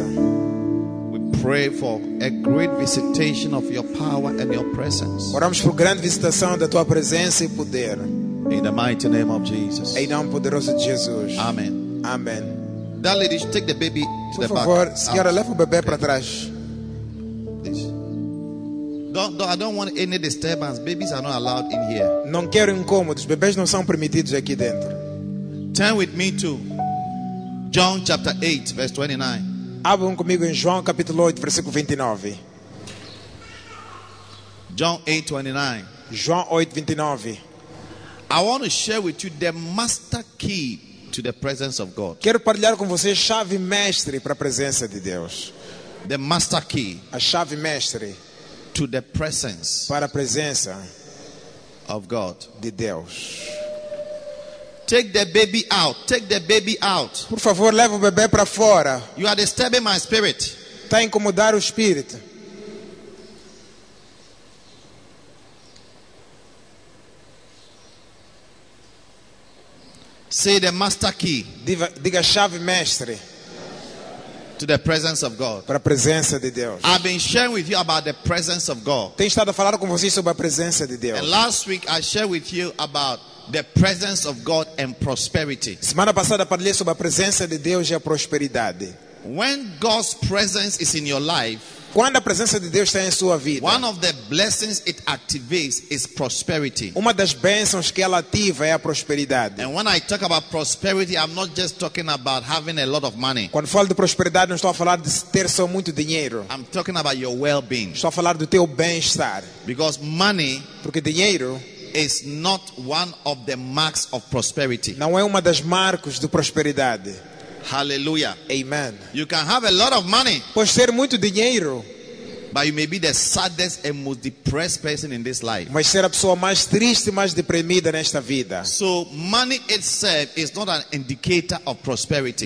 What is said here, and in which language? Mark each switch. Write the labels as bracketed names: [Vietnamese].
[English] We pray for a great visitation of your power and your presence. [Portuguese] Oramos por grande visitação da tua presença e poder. [English] In the mighty name of Jesus. [Portuguese] Em nome poderoso de Jesus. [English] Amen. [Portuguese] Amen. [English] That lady, take the baby to [Portuguese] por favor, [English] back. [Portuguese] Senhora, leva o bebê para trás. [English] I don't want any disturbance. Babies are not allowed in here. [Portuguese] Não quero incômodos. Bebês não são permitidos aqui dentro. [English] Turn with me to John chapter 8, verse 29. [Portuguese] Abram comigo em João capítulo 8, versículo 29. [English] John 8, 29. [Portuguese] João 8, 29. [English] I want to share with you the master key to the presence of God. [Portuguese] Quero partilhar com vocês a chave mestre para a presença de Deus. [English] The master key. [Portuguese] A chave mestre. [English] To the presence [Portuguese] para a presença [English] of God, [Portuguese] de Deus. [English] Take the baby out. Take the baby out. [Portuguese] Por favor, leve o bebê para fora. [English] You are disturbing my spirit. [Portuguese] Está a incomodar o espírito. [English] Say the master key. [Portuguese] Diga a chave mestre. [English] To the presence of God. [Portuguese] Para a presença de Deus. [English] I've been sharing with you about the presence of God. [Portuguese] Tenho estado a falar com vocês sobre a presença de Deus. [English] And last week I shared with you about the presence of God and prosperity. [Portuguese] Semana passada falei sobre a presença de Deus e a prosperidade. [English] When God's presence is in your life, [Portuguese] quando a presença de Deus está em sua vida, [English] one of the blessings it activates is prosperity. [Portuguese] Uma das bênçãos que ela ativa é a prosperidade. [English] And when I talk about prosperity, I'm not just talking about having a lot of money. [Portuguese] Quando falo de prosperidade, não estou a falar de ter só muito dinheiro. [English] I'm talking about your well-being. [Portuguese] Estou a falar do teu bem-estar. [English] Because money, [Portuguese] porque dinheiro, [English] is not one of the marks of prosperity. [Portuguese] Não é uma das marcas de prosperidade. [English] Hallelujah. [Portuguese] Amen. [English] You can have a lot of money. [Portuguese] Pode ser muito dinheiro. [English] But you may be the saddest and most depressed person in this life. [Portuguese] Mas ser a pessoa mais triste e mais deprimida nesta vida. [English] So money itself is not an indicator of prosperity.